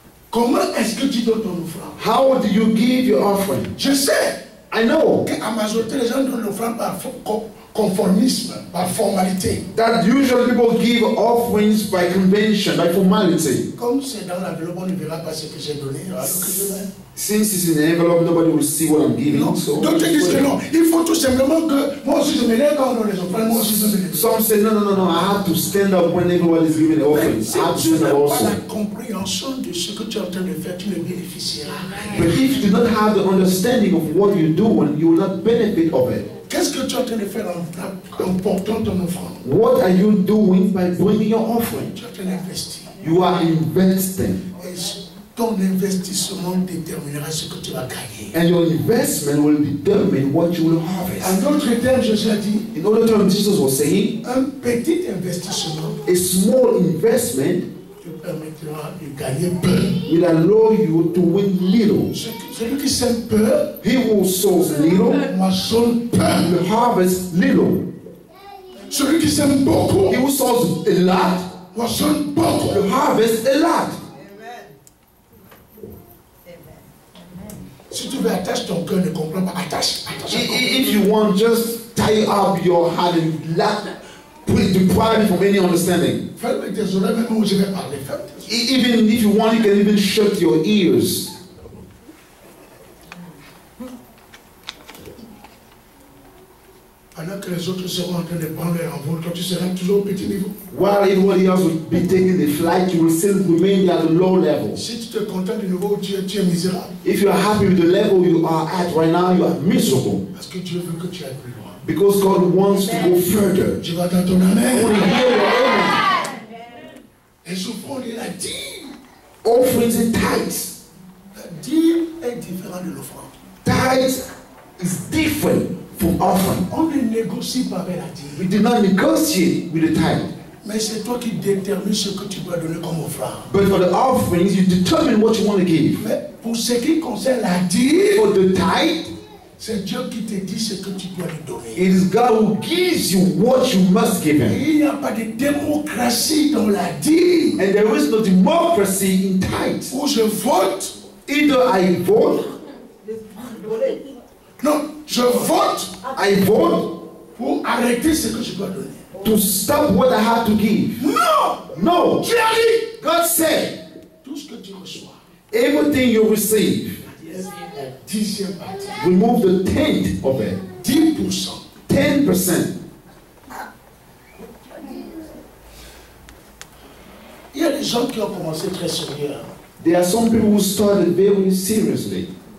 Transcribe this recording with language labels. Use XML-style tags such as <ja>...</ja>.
<fr>Comment est-ce que tu donnes ton offrande?</fr> <en>How do you give your offering?</en> <fr>Je sais.</fr> <en>I know.</en> <fr>Que à majorité les gens donnent l'offrande par conformisme, par formalité.</fr> <en>That usually people give offerings by convention, by formality.</en> <fr>Comme c'est dans l'enveloppe, on ne verra pas ce que j'ai donné.</fr> <en>Since it's in the envelope, nobody will see what I'm giving.</en> <fr>Non.</fr> <en>So</en> <fr>d'autres disent que non. Il faut tout simplement que moi aussi je me lève quand on les offre. Moi aussi je me lève.</fr> <en>Some say no. I have to stand up when everyone is giving the offerings.</en> <fr>Si tu n'as pas la compréhension de ce que tu es en train de faire, tu ne bénéficieras.</fr> <en>But if you do not have the understanding of what you're doing, you will not benefit of it.</en> <fr>Qu'est-ce que tu es en train de faire en portant ton offrande?</fr> <en>What are you doing by bringing your offering?</en> <fr>Tu es en train d'investir.</fr> <en>You are investing. Yes.</en> <fr>Ton investissement déterminera ce que tu vas gagner.</fr> <en>And your investment will determine what you will harvest.</en> <fr>En d'autres termes, Jésus a dit.</fr> <en>In other terms, Jesus was saying.</en> <fr>Un petit investissement.</fr> <en>A small investment.</en> <fr>Te permettra de gagner peu.</fr> <en>Will allow you to win little.</en> <fr>Celui qui sème peu.</fr> <en>He who sows little.</en> <fr>Moissonne peu.</fr> <en>Will harvest little.</en> <fr>Celui qui sème beaucoup.</fr> <en>He who sows a lot.</en> <fr>Moissonne beaucoup.</fr> <en>Will harvest a lot.</en> <fr>Si tu veux attacher ton cœur, ne comprends pas. Attache.</fr> <en>If you want, just tie up your heart and let put deprive it from any understanding.</en> <fr>Ferme tes oreilles même où je vais parler. Ferme tes oreilles.</fr> <en>Even if you want, you can even shut your ears.</en> <fr>Alors que les autres seront en train de prendre leur envol, toi tu seras toujours au petit niveau.</fr> <en>While everybody else will be taking the flight, you will still remain at a low level.</en> <fr>Si tu te contentes du niveau où tu es misérable.</fr> <en>If you are happy with the level you are at right now, you are miserable.</en> <fr>Parce que Dieu veut que tu ailles plus loin.</fr> <en>Because God wants to go further.</en> <fr>Je vais dans ton amen.</fr> <en>Only hear your amen.</en> <fr>Et souvent, il a dit.</fr> <en>Offerings and tithes.</en> <fr>La dîme est différent de l'offrande.</fr> <en>Tithes is different. From offering. We did not negotiate with the tithe.</en> <fr>Mais c'est toi qui détermines ce que tu dois donner comme offrande.</fr> <en>But for the offerings, you determine what you want to give.</en> <fr>Mais pour ce qui concerne la dîme,</fr> <en>for the tithe,</en> <fr>c'est Dieu qui te dit ce que tu dois lui donner.</fr> <en>It is God who gives you what you must give him.</en> <fr>Il n'y a pas de démocratie dans la dîme.</fr> <en>And there is no democracy in tithe.</en> <fr>Où je vote,</fr> <en>either I vote.</en> <fr>Non, je vote.</fr> <en>I vote</en> <fr>pour arrêter ce que je dois donner.</fr> <en>To stop what I have to give. No.</en> <fr>Tu as dit.</fr> <en>God said.</en> <fr>Tout ce que tu reçois.</fr> <en>Everything you receive.</en> <fr>Dixième partie.</fr> <en>Remove the tenth of it. 10%. 10%.</en> <fr>Il y a des gens qui ont commencé très sérieux.</fr> <en>There are some people who started very seriously.</en>